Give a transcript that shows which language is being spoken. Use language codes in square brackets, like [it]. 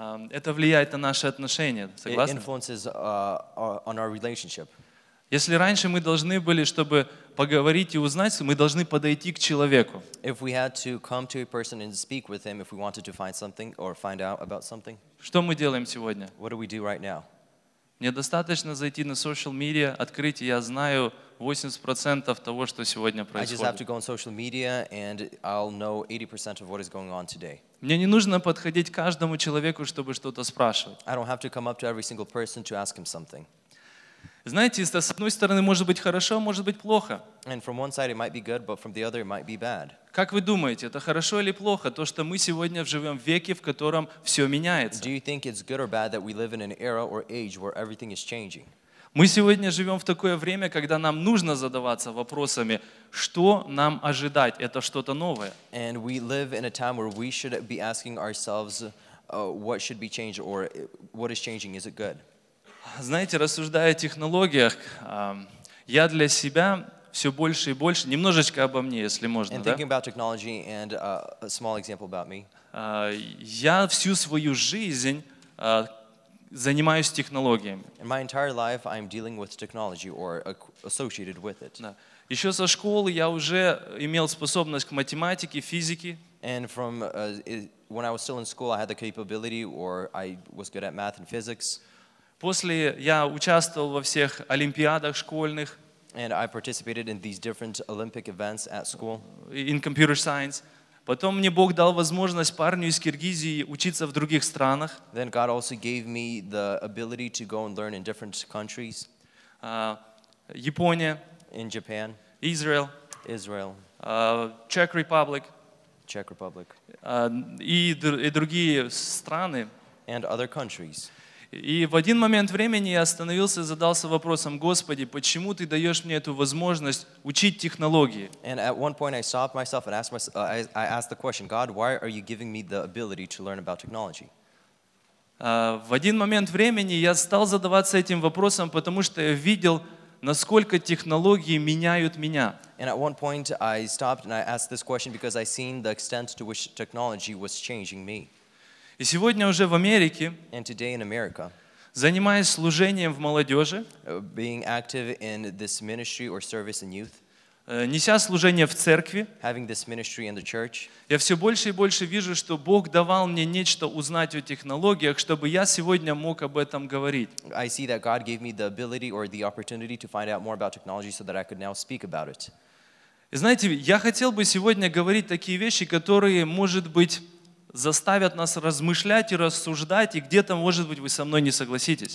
[ru] Это влияет на наши отношения, согласны? [en] It influences on our relationship. [ru] Если раньше мы должны были, чтобы поговорить и узнать, мы должны подойти к человеку. [en] If we had to come to a person and speak with him, if we wanted to find something or find out about something. [ru] Что мы делаем сегодня? [en] What do we do right now? [ru] Мне достаточно зайти на social media, открыть, и я знаю 80% того, что сегодня происходит. [en] I just have to go on social media and I'll know 80% of what is going on today. [ru] Мне не нужно подходить к каждому человеку, чтобы что-то спрашивать. [en] I don't have to come up to every single person to ask him something. [ru] Знаете, с одной стороны, может быть хорошо, может быть плохо. [en] And from one side it might be good, but from the other it might be bad. [ru] Как вы думаете, это хорошо или плохо, то, что мы сегодня живем в веке, в котором все меняется? [en] Do you think it's good or bad that we live in an era or age where everything is changing? [ru] Мы сегодня живем в такое время, когда нам нужно задаваться вопросами, что нам ожидать, это что-то новое. [en] And we live in a time where we should be asking ourselves, what should be changed or what is changing, is it good? [ru] Знаете, рассуждая о технологиях, я для себя все больше и больше, немножечко обо мне, если можно, [en] and thinking about technology and a small example about me. [ru] Я всю свою жизнь занимаюсь технологиями. [en] In my entire life I'm dealing with technology or associated with it. [ru] Да. Еще со школы я уже имел способность к математике, физике. [en] And from when I was still in school I had the capability or I was good at math and physics. [ru] После я участвовал во всех олимпиадах школьных. [en] And I participated in these different Olympic events at school. In computer science. [ru] Потом мне Бог дал возможность парню из Киргизии учиться в других странах. [en] Then God also gave me the ability to go and learn in different countries. [ru] Япония. [en] In Japan. Israel. Israel. Czech Republic. Czech Republic. [ru] И другие страны. [en] And other countries. [ru] И в один момент времени я остановился и задался вопросом, Господи, почему ты даешь мне эту возможность учить технологии? [en] And at one point I stopped myself and asked myself, I asked the question, God, why are you giving me the ability to learn about technology? [ru] В один момент времени я стал задаваться этим вопросом, потому что я видел, насколько технологии меняют меня. [en] And at one point I stopped and I asked this question because I seen the extent to which technology was changing me. [ru] И сегодня уже в Америке, [en] and today in America, [ru] занимаясь служением в молодежи, [en] being active in this ministry or service in youth, [ru] неся служение в церкви, [en] having this ministry in the church, [ru] я все больше и больше вижу, что Бог давал мне нечто узнать о технологиях, чтобы я сегодня мог об этом говорить. [en] I see that God gave me the ability or the opportunity to find out more about technology so that I could now speak about it. [ru] Знаете, я хотел бы сегодня говорить такие вещи, которые, может быть, заставят нас размышлять и рассуждать, и где-то, может быть, вы со мной не согласитесь.